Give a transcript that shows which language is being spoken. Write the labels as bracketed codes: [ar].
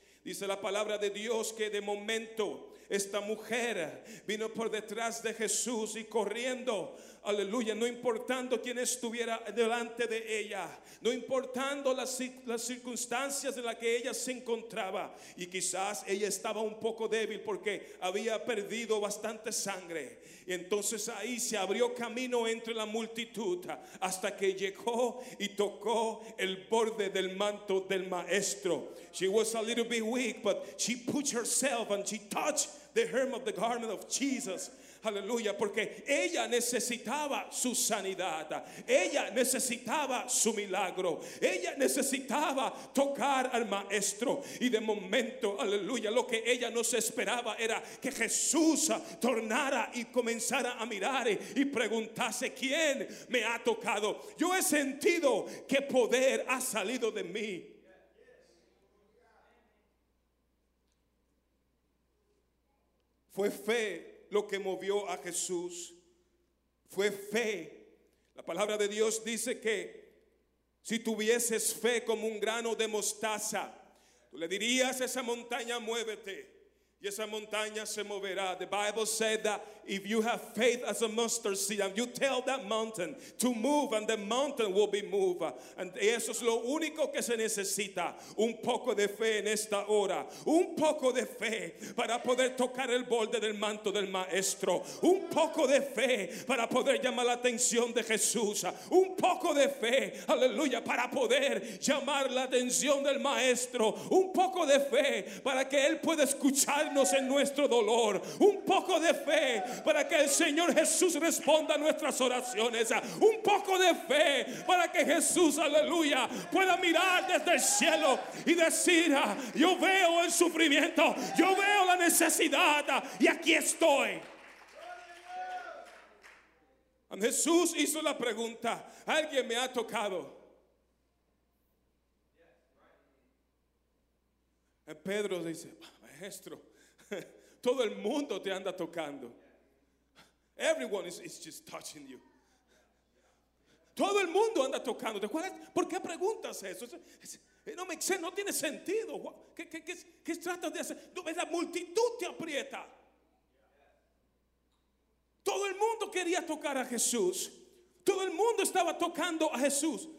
[es] Dice la palabra de Dios que de momento esta mujer vino por detrás de Jesús y corriendo, aleluya, no importando quién estuviera delante de ella, no importando las circunstancias en las que ella se encontraba, y quizás ella estaba un poco débil porque había perdido bastante sangre. Y entonces ahí se abrió camino entre la multitud hasta que llegó y tocó el borde del manto del maestro. [en] She was a little bit weak, but she put herself and she touched the hem of the garment of Jesus. [es] Aleluya, porque ella necesitaba su sanidad, ella necesitaba su milagro, ella necesitaba tocar al maestro. Y de momento, aleluya, lo que ella no se esperaba era que Jesús tornara y comenzara a mirar y preguntase: ¿quién me ha tocado? Yo he sentido que poder ha salido de mí. Fue fe lo que movió a Jesús, fue fe. La palabra de Dios dice que si tuvieses fe como un grano de mostaza, tú le dirías a esa montaña: muévete, y esa montaña se moverá. [en] The Bible said that if you have faith as a mustard seed, and you tell that mountain to move, and the mountain will be moved. [es] And eso es lo único que se necesita, un poco de fe en esta hora, un poco de fe para poder tocar el borde del manto del maestro, un poco de fe para poder llamar la atención de Jesús, un poco de fe, aleluya, para poder llamar la atención del maestro, un poco de fe para que él pueda escuchar acompañarnos en nuestro dolor, un poco de fe para que el Señor Jesús responda a nuestras oraciones, un poco de fe para que Jesús, aleluya, pueda mirar desde el cielo y decir: yo veo el sufrimiento, yo veo la necesidad, y aquí estoy. Jesús hizo la pregunta: ¿alguien me ha tocado? Pedro dice: maestro, todo el mundo te anda tocando. [en] Everyone is just touching you. [es] Todo el mundo anda tocándote. ¿Por qué preguntas eso? No tiene sentido. ¿Qué tratas de hacer? No, la multitud te aprieta. Todo el mundo quería tocar a Jesús. Todo el mundo estaba tocando a Jesús.